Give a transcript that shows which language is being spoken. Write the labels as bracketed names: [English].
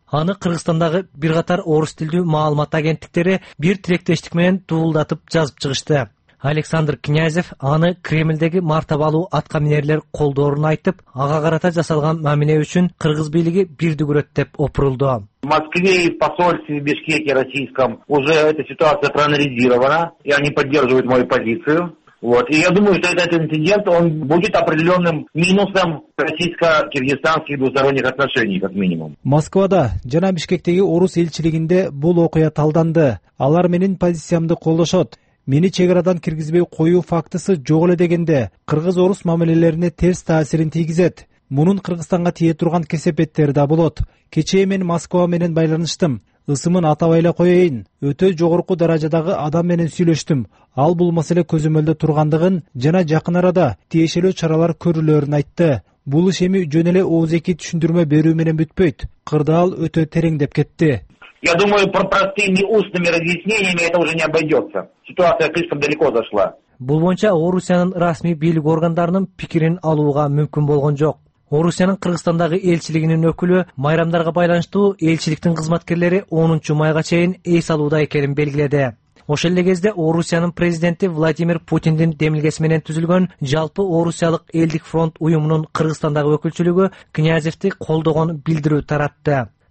[Kyrgyz] Аны Кыргызстандагы бир катар орус тилдүү маалымат агенттиктери бир тилектештик менен дуулдатып жазып чыгышты. Александр Князев аны Кремльдеги мартабалуу аткаминерлер колдоорун айтып, ага карата жасалган мамиле үчүн кыргыз бийлиги бирди көрөт деп опурулду. [Russian] В Москве и в посольстве в Бишкеке российском уже эта ситуация проанализирована, и они поддерживают мою позицию. Вот. И я думаю, что этот инцидент, он будет определенным минусом российско-киргизстанских двусторонних отношений, как минимум. [Kyrgyz] Москвада жана Бишкектеги орус элчилигинде бул окуя талданды. Алар менин позициямды колдошот. Мени чек арадан киргизбей коюу фактысы жок эле дегенде, кыргыз-орус мамилелерине терс таасирин тийгизет. Мунун Кыргызстанга тие турган кесепеттери да болот. Кечээ мен Москва менен байланыштым. Ысымын атап эле коёюн. Өтө жогорку даражадагы адам менен сүйлөштүм. Ал бул маселе көзөмөлдө тургандыгын жана жакын арада тиешелүү чаралар көрүлөрүн айтты. Бул иш эми жөн эле ооз эки түшүндүрмө берүү менен бүтпөйт. Кырдаал өтө тереңдеп кетти. [Russian] Я думаю, простыми устными разъяснениями это уже не обойдется. Ситуация слишком далеко зашла. [Kyrgyz] Бул боюнча Орусиянын расмий бийлик органдарынын пикирин алууга мүмкүн болгон жок. Орусиянын Кыргызстандагы элчилигинин өкүлү майрамдарга байланыштуу элчиликтин кызматкерлери 10 майга чейин эс алууда экенин белгиледи. Ошол эле кезде Орусиянын президенти Владимир Путиндин демилгеси менен түзүлгөн жалпы Орусиялык элдик фронт уюмунун Кыргызстандагы өкүлчүлүгү Князевти колдогон билдирүү таратты.